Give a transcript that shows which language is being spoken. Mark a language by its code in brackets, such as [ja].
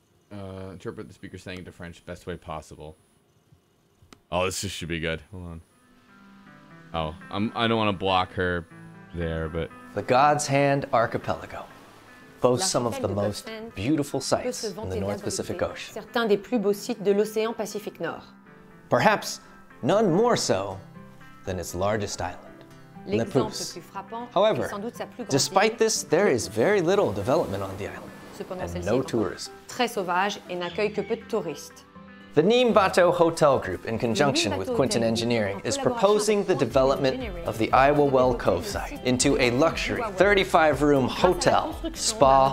[en] Interpret the speaker saying it to French best way possible. Oh, this just should be good. Hold on. Oh, I don't want to block her there, but... The God's Hand Archipelago boasts some of the most beautiful sites in the North Pacific Ocean. [fr] Certains des plus beaux sites de l'océan Pacifique Nord. [en] Perhaps none more so than its largest island, Lepus. However, despite this, there is very little development on the island. And no tourism. [fr] Très sauvage et n'accueille que peu de touristes. [en] The Neem Bato Hotel Group, in conjunction with Quinton Engineering, is proposing the development of the Iowa Well Cove site into a luxury 35-room hotel, spa,